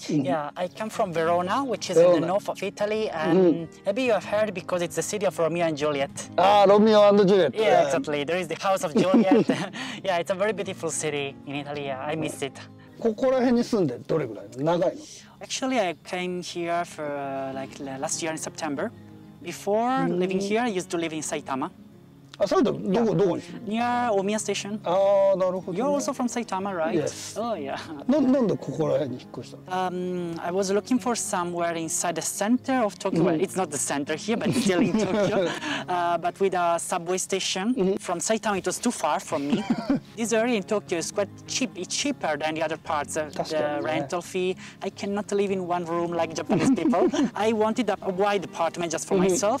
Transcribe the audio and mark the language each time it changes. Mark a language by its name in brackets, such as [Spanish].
[English] Yeah, I come from Verona, which is Verona. In the north of Italy, and maybe you have heard because it's the city of Romeo and Juliet. Ah, Romeo and Juliet. Yeah, exactly. There is the house of Juliet. Yeah, it's a very beautiful city in Italy. Yeah, I miss it. [Japanese] ここら辺に住んでどれぐらい長いの? [English] Actually, I came here for like last year in September. Before living here, I used to live in Saitama. [Japanese] あ、埼玉?どこに? [English] Near Omiya Station. [Japanese] あ、なるほど。 [English] You're also from Saitama, right? Yes. Oh, yeah. [Japanese] なんでここら辺に引っ越したの? [English] I was looking for somewhere inside the center of Tokyo. Well, it's not the center here, but still in Tokyo. But with a subway station. From Saitama, it was too far from me. This area in Tokyo is quite cheap. It's cheaper than the other parts of the rental fee. I cannot live in one room like Japanese people. I wanted a wide apartment just for myself.